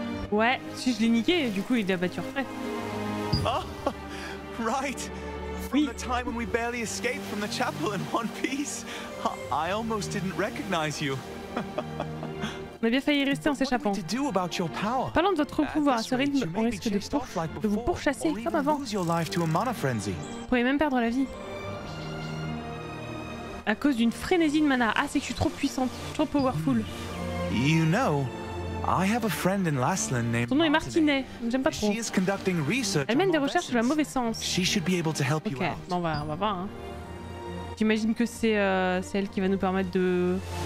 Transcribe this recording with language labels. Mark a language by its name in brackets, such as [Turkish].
[French] Ouais, si je l'ai niqué, du coup il a battu en retraite. [English] Oh, right. From the time when we barely escaped from the chapel in one piece, I almost didn't recognize you. [French] On a bien failli y rester en s'échappant. Parlons de votre pouvoir. À ce rythme, on risque de vous pourchasser comme avant. Vous pouvez même perdre la vie. À cause d'une frénésie de mana. Ah, c'est que je suis trop puissante, trop powerful. [English] You know, I have a friend in Lasland named [French] Son nom est Martinet, j'aime pas trop. [English] She is conducting research. [French] Elle mène des recherches sur la mauvaise sens. [English] She should be able to help you out. [French] Ok, bon, on va voir. Hein. J'imagine que c'est elle qui va nous permettre de...